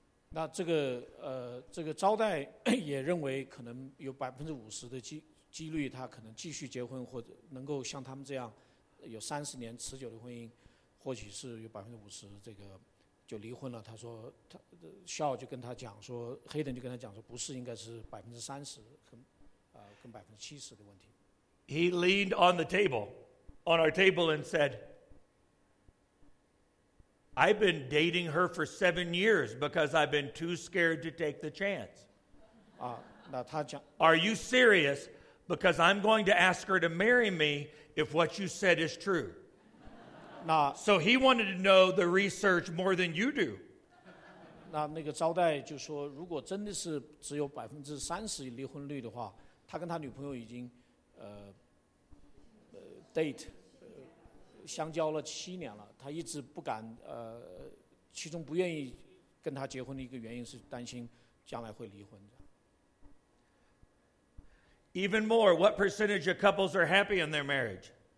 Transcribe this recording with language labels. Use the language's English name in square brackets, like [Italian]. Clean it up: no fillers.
[Chinese] 那这个招待也认为可能有 50% 的几率他可能继续结婚或者能够像他们这样有 30年持久的婚姻或许是有 50% 这个就离婚了他说他笑就跟他讲说 Hayden 就跟他讲说不是应该是 30% 跟 70% 的问题 [English] He leaned on the table on our table and said I've been dating her for 7 years because I've been too scared to take the chance. Are you serious? Because I'm going to ask her to marry me if what you said is true. So he wanted to know the research more than you do. [Chinese] 那个招待就说如果真的是只有 30% 离婚率的话他跟他女朋友已经 date 相交了七年了，他一直不敢，其中不愿意跟他结婚的一个原因是担心将来会离婚。 [English] Even more, what percentage of couples are happy in their marriage?